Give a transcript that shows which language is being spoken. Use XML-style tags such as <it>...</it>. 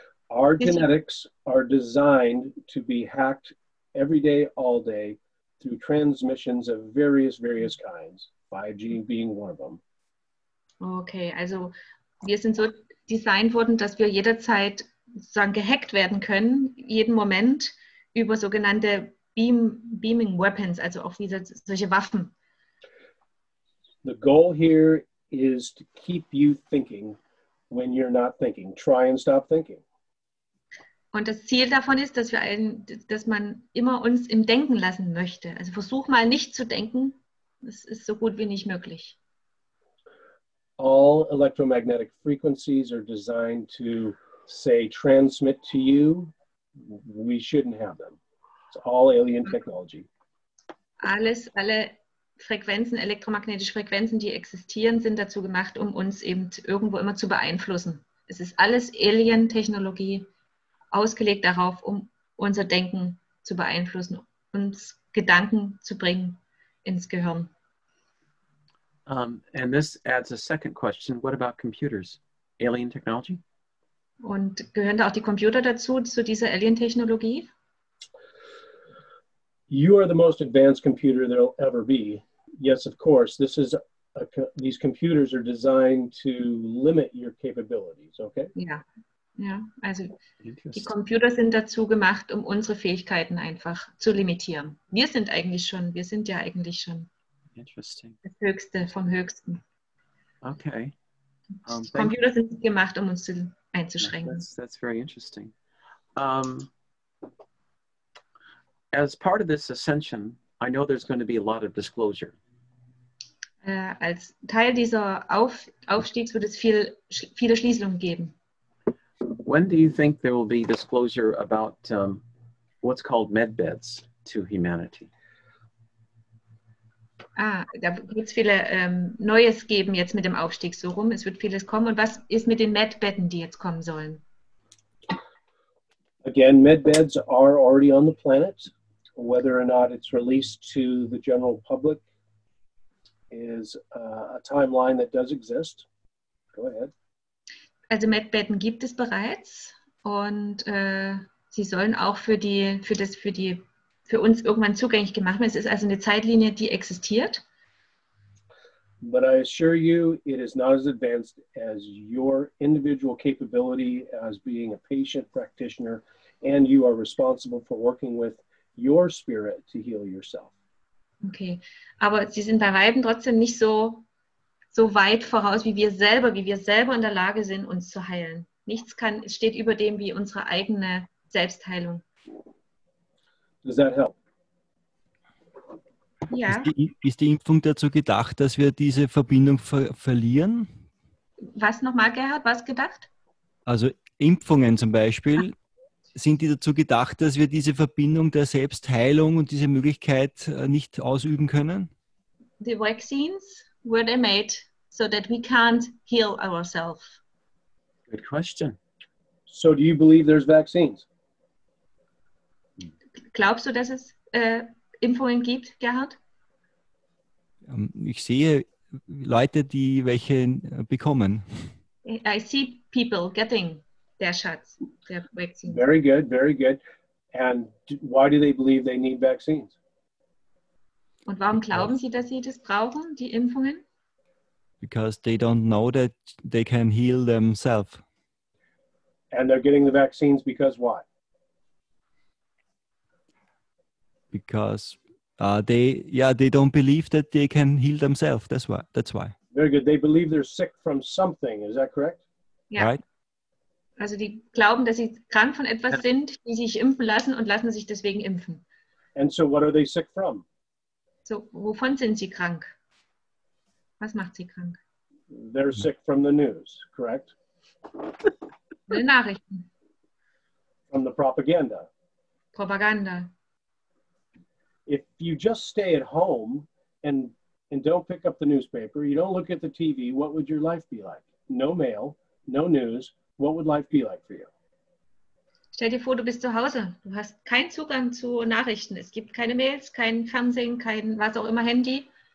<en>Our genetics are designed to be hacked every day, all day, through transmissions of various, various kinds, 5G being one of them.</en> <de>Okay, also wir sind so designed worden, dass wir jederzeit sozusagen gehackt werden können, jeden Moment, über sogenannte</de> <en>beaming weapons,</en> <de>also auch diese solche Waffen.</de> <en>The goal here is to keep you thinking when you're not thinking. Try and stop thinking.</en> <de>Und das Ziel davon ist, dass wir einen, dass man immer uns im Denken lassen möchte. Also versuch mal nicht zu denken. Das ist so gut wie nicht möglich.</de> <en>All electromagnetic frequencies are designed to, say, transmit to you. We shouldn't have them. It's all alien technology.</en> <de>Alle Frequenzen, elektromagnetische Frequenzen, die existieren, sind dazu gemacht, um uns eben irgendwo immer zu beeinflussen. Es ist alles Alien-Technologie, ausgelegt darauf, um unser Denken zu beeinflussen, uns Gedanken zu bringen ins Gehirn.</de> <en>And this adds a second question. What about computers? Alien technology?</en> <de>Und gehören da auch die Computer dazu, zu dieser Alien-Technologie?</de> <en>You are the most advanced computer there'll ever be. Yes, of course. This is these computers are designed to limit your capabilities, okay?</en> <de>Ja, also die Computer sind dazu gemacht, um unsere Fähigkeiten einfach zu limitieren. Wir sind ja eigentlich schon</de> <en>interesting.</en> <de>Das Höchste vom Höchsten.</de> <en>Okay.</en> <de>Die Computer sind gemacht, um uns einzuschränken.</de> <en>That's very interesting. As part of this ascension, I know there's going to be a lot of disclosure.</en> <de>Als Teil dieser Aufstiegs wird es viele Schließungen geben.</de> <en>When do you think there will be disclosure about what's called medbeds to humanity?</en> <de>Da wird es viele Neues geben jetzt mit dem Aufstieg so rum. Es wird vieles kommen. Und was ist mit den Medbetten, die jetzt kommen sollen?</de> <en>Again, medbeds are already on the planet. Whether or not it's released to the general public is a timeline that does exist. Go ahead.</en> <de>Also Medbetten gibt es bereits und sie sollen auch für uns irgendwann zugänglich gemacht werden. Es ist also eine Zeitlinie, die existiert.</de> <en>But I assure you, it is not as advanced as your individual capability as being a patient practitioner, and you are responsible for working with your spirit to heal yourself.</en> <de>Okay, aber sie sind bei Weitem trotzdem nicht so weit voraus, wie wir selber in der Lage sind, uns zu heilen. Es steht über dem wie unsere eigene Selbstheilung.</de> <en>Does that help?</en> <de>Ja. Ist die Impfung dazu gedacht, dass wir diese Verbindung verlieren? Was nochmal, Gerhard? Was gedacht? Also Impfungen zum Beispiel. Ach. Sind die dazu gedacht, dass wir diese Verbindung der Selbstheilung und diese Möglichkeit nicht ausüben können?</de> <en>The vaccines were they made so that we can't heal ourselves? Good question. So do you believe there's vaccines?</en> <de>Glaubst du, dass es Impfungen gibt, Gerhard? Ich sehe Leute, die welche bekommen.</de> <en>I see people getting their shots, their vaccine. Very good, very good. And why do they believe they need vaccines?</en> <de>Und warum glauben Sie, dass sie das brauchen, die Impfungen?</de> <en>Because they don't know that they can heal themselves. And they're getting the vaccines because why? Because they don't believe that they can heal themselves. That's why. Very good. They believe they're sick from something. Is that correct? Yeah. Right.</en> <de>Also, die glauben, dass sie krank von etwas sind, die sich impfen lassen und lassen sich deswegen impfen.</de> <en>And so, what are they sick from?</en> <de>So, wovon sind sie krank? Was macht sie krank?</de> <en>They're sick from the news, correct?</en> <de>Die Nachrichten.</de> <en>From the propaganda.</en> <de>Propaganda.</de> <en>If you just stay at home and don't pick up the newspaper, you don't look at the TV, what would your life be like? No mail, no news, what would life be like for you?</en> <de>Stell dir vor, du bist zu Hause. Du hast keinen Zugang zu Nachrichten. Es gibt keine Mails, kein Fernsehen, kein was auch immer Handy.</de>